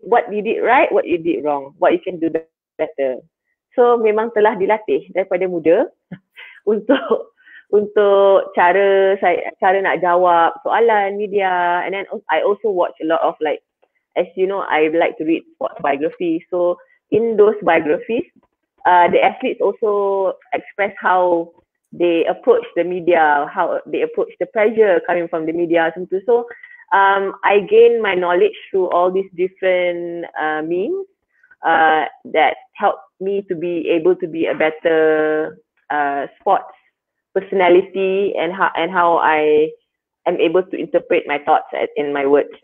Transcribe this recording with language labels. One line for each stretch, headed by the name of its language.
English: What you did right, what you did wrong, what you can do better.
Malay: So memang telah dilatih daripada muda untuk cara nak jawab soalan media.
English: And then I also watch a lot of, like, as you know, I like to read sports biography. So in those biographies, the athletes also express how they approach the media, how they approach the pressure coming from the media. So I gain my knowledge through all these different means that help me to be able to be a better sports personality and how I am able to interpret my thoughts in my words.